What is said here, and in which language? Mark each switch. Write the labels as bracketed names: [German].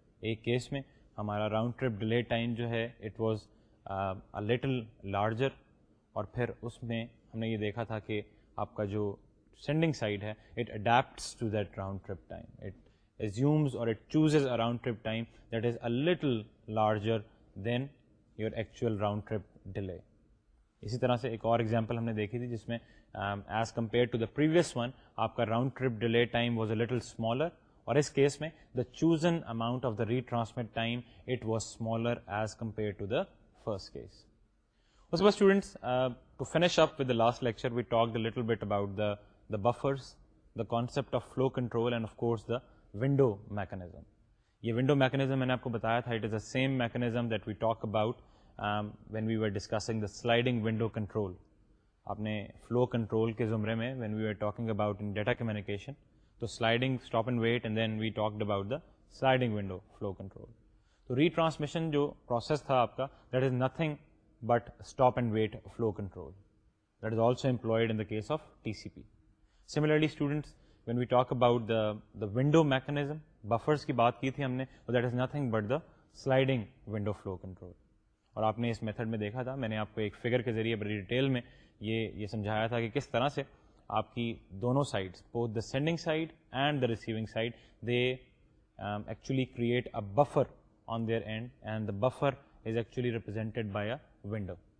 [Urdu] ایک کیس میں ہمارا راؤنڈ ٹرپ ڈیلے ٹائم جو ہے it [English] was a little larger, [Urdu] اور پھر اس میں ہم نے یہ دیکھا تھا کہ آپ کا جو سینڈنگ [English] Side ہے it adapts to that round trip time, it assumes اور it chooses a round trip time that is a little larger than your actual round trip delay. [Urdu] اسی طرح سے ایک اور ایگزامپل ہم نے دیکھی تھی جس میں [English] as compare to the previous one [Urdu] آپ کا [English] Round trip delay time was a little smaller, اور اس case میں the chosen amount of the retransmit time it was smaller as compare to the first case. اس بس students, to finish up with the last lecture we talk the little bit about the buffers, the concept of flow control, and of course the window mechanism. [Urdu] یہ window mechanism میں نے آپ کو بتایا تھا, [English] It is the same mechanism that we talk about when we were discussing the sliding window control. [Urdu] Aapne flow control ke zumre mein, [English] when we were talking about in data communication, to sliding stop and wait, and then we talked about the sliding window flow control. [Urdu] To retransmission jo process tha aapka, [English] that is nothing but stop and wait flow control. That is also employed in the case of TCP. Similarly, students, when we talk about the window mechanism, [Urdu] buffers ki baat ki thi humne, [English] so that is nothing but the sliding window flow control. [Urdu] اور آپ نے اس method میں دیکھا تھا, میں نے آپ کو ایک فگر کے ذریعے بڑی ڈیٹیل میں یہ سمجھایا تھا کہ کس طرح سے آپ کی دونوں sides, [English] Both the sending side and the receiving side, they actually create a buffer on their end, and the buffer is actually represented by a window.